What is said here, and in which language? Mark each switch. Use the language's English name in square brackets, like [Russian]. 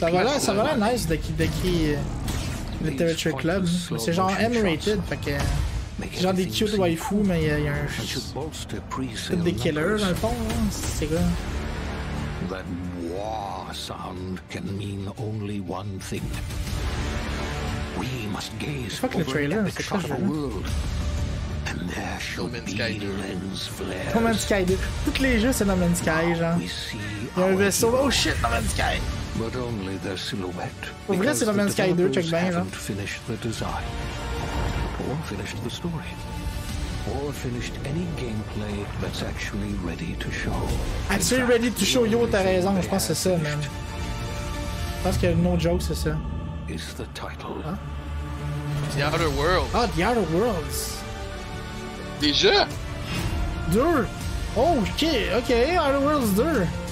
[French] ça va là, ça va là, nice, de qui Literature Club. C'est genre M-rated, fait que... Genre des cute waifu, mais y a un... C'est des killers, dans le fond, hein, c'est quoi. [English] That war sound can mean only one thing. We must gaze over the trailer, the trailer, the world. And there shall be lens flares. No Man's Sky 2. [French] Tous les jeux, c'est No Man's Sky, genre. Il y a un vaisseau. Oh shit, No Man's Sky! [English] But only the silhouette. [French] Pour vrai, c'est No Man's Sky 2, check bien, là. [English] Or finished the design. Or finished the story. Or finished any gameplay that's actually ready to show. Actually ready to show, [French] yo, t'as raison, je pense que c'est ça, man. Je pense qu'il y a [English] no joke, [French] c'est ça. [English] Is the title. Huh? The Outer Worlds. [French] Ah, The Outer Worlds. Déjà? Dur. Oh, ok, ok, Outer Worlds dur.